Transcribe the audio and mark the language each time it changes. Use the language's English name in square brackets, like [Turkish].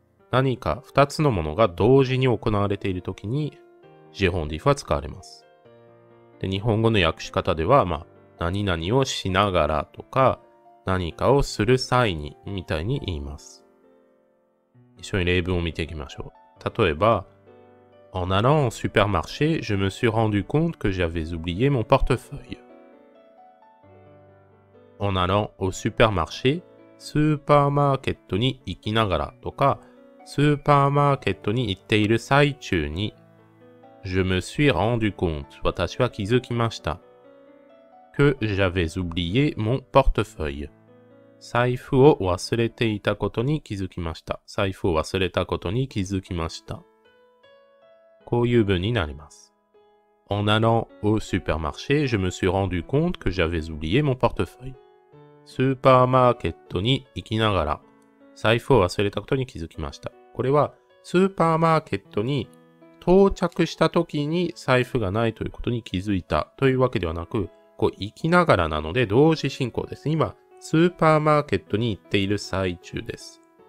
[Japanese] 何か二つのものが同時に行われているときに、ジェフォンディフは使われます。で、日本語の訳し方では、まあ、何々をしながらとか、何かをする際に、みたいに言います。一緒に例文を見ていきましょう。 [French] 例えば、En allant au supermarché, je me suis rendu compte que j'avais oublié mon portefeuille. En allant au supermarché, [Japanese] スーパーマーケットに行きながらとか、スーパーマーケットに行っている最中に、 [French] Je me suis rendu compte, [Japanese] 私は気づきました。 [French] Que j'avais oublié mon portefeuille. [Japanese] 財布を忘れていたことに気づきました。財布を忘れたことに気づきました。こういう文になります。 [French] En allant au supermarché, je me suis rendu compte que j'avais oublié mon portefeuille. [Japanese] スーパーマーケットに行きながら、財布を忘れたことに気づきました。これは、スーパーマーケットに到着した時に財布がないということに気づいたというわけではなく、こう、行きながらなので同時進行です。今、スーパーマーケットに行っている最中です。